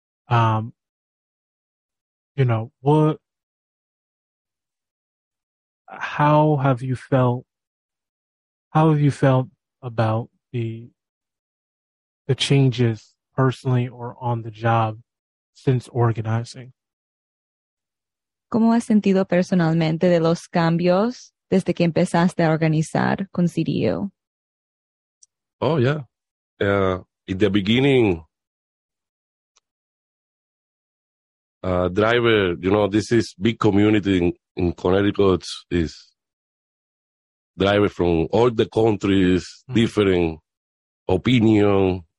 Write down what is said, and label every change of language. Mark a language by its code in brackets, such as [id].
[en] You know what? How have you felt about the changes personally or on the job since organizing? [es] ¿Cómo has sentido personalmente de los cambios desde que empezaste a organizar con CDU? [en] Oh, yeah. In the beginning, driver, you know, this is big community in Connecticut, is driver from all the countries, different opinion.